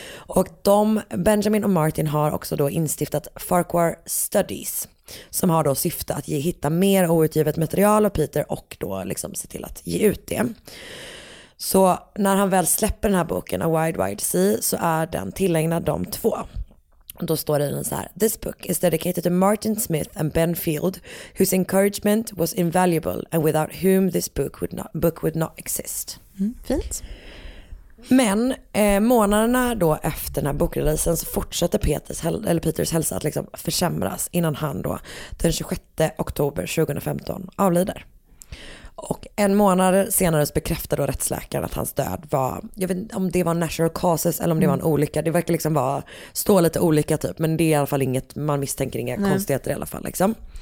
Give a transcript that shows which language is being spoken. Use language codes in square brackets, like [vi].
[sv] Och de, Benjamin och Martin, har också då instiftat Farquhar Studies. Som har då syfte att hitta mer outgivet material av Peter och då liksom se till att ge ut det. Så när han väl släpper den här boken, A Wide Wide Sea, så är den tillägnad de två. [en] Då står det så här: "This book is dedicated to Martin Smith and Ben Field, whose encouragement was invaluable and without whom this book would not exist." [sv] Fint. Men månaderna då efter den här bokreleasen så fortsätter Peters hälsa att liksom försämras innan han då den 26 oktober 2015 avlider. Och en månad senare så bekräftade då rättsläkaren att hans död var, jag vet inte om det var [en] natural causes [sv] eller om det var en olycka, det verkar liksom vara, stå lite olika typ, men det är i alla fall inget, man misstänker inga konstigheter i alla fall liksom.